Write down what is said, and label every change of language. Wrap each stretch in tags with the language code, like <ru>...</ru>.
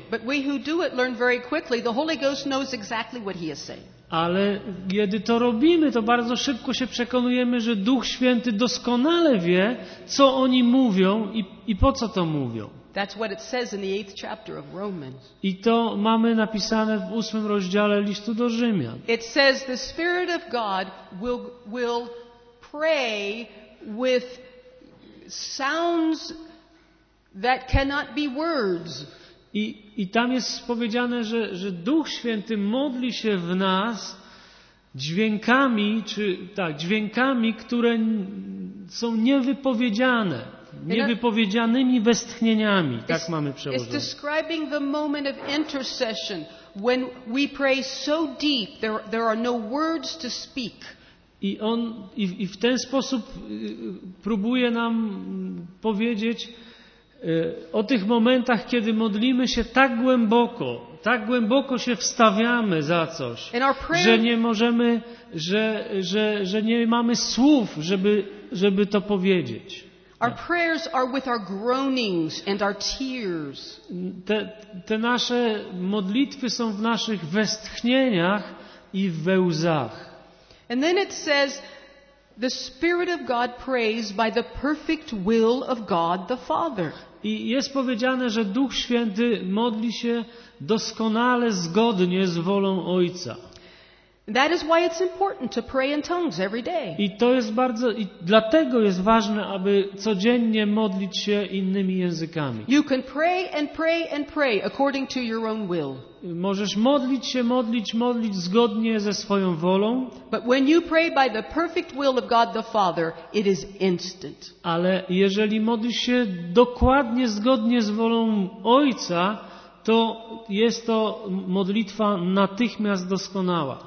<en>But we who do it learn very quickly. The Holy Ghost knows exactly what he is saying.</en> <pl>Ale kiedy to robimy, to bardzo szybko się przekonujemy, że Duch Święty doskonale wie, co oni mówią i po co to mówią.</pl> <en>That's what it says in the 8th chapter of Romans.</en> <pl>I to mamy napisane w 8 rozdziale listu do Rzymian.</pl> <en>It says the Spirit of God will pray with sounds that cannot be words.</en> <pl>I tam jest powiedziane, że Duch Święty modli się w nas dźwiękami, czy tak, dźwiękami, które są niewypowiedziane. Niewypowiedzianymi westchnieniami, tak mamy przełożone.</pl> <en>It's describing the moment of intercession when we pray so deep there are no words to speak.</en> <pl>I w ten sposób próbuje nam powiedzieć o tych momentach, kiedy modlimy się tak głęboko się wstawiamy za coś, że nie możemy, że nie mamy słów, żeby to powiedzieć.</pl> <en>Our prayers are with our groanings and our tears.</en> <pl>Te nasze modlitwy są w naszych westchnieniach i we łzach.</pl> <en>And then it says the Spirit of God prays by the perfect will of God the Father.</en> <pl>I jest powiedziane, że Duch Święty modli się doskonale zgodnie z wolą Ojca.</pl> <en>That is why it's important to pray in tongues every day.</en> <pl>I to jest bardzo, i dlatego jest ważne, aby codziennie modlić się innymi językami.</pl> <en>You can pray and pray and pray according to your own will.</en> <pl>Możesz modlić się, modlić zgodnie ze swoją wolą.</pl> <en>But when you pray by the perfect will of God the Father, it is instant.</en> <pl>Ale jeżeli modlisz się dokładnie zgodnie z wolą Ojca, to jest to modlitwa natychmiast doskonała.</pl>